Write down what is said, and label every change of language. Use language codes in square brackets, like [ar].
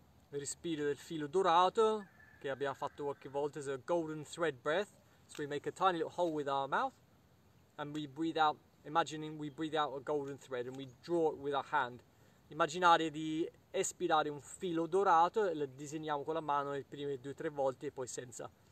[it] Respiro del filo dorato che abbiamo fatto qualche volta, [en] so a golden thread breath. So we make a tiny little hole with our mouth and we breathe out, imagining we breathe out a golden thread and we draw it with our hand. [it] Immaginare di espirare un filo dorato e lo disegniamo con la mano le prime 2 o 3 volte e poi senza.